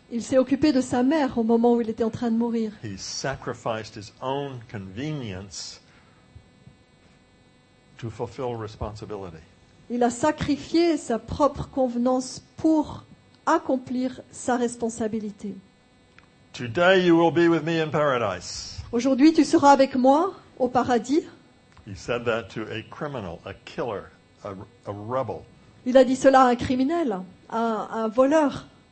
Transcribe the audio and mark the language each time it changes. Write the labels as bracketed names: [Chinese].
[French] Il s'est occupé de sa mère au moment où il était en train de mourir. [English] He sacrificed his own convenience to fulfill responsibility. [French] Il a sacrifié sa propre convenance pour accomplir sa responsabilité. [English] Today you will be with me in paradise. [French] Aujourd'hui, tu seras avec moi au paradis. [English] He said that to a criminal, a killer, a rebel. [French] Il a dit cela à un criminel, à un voleur.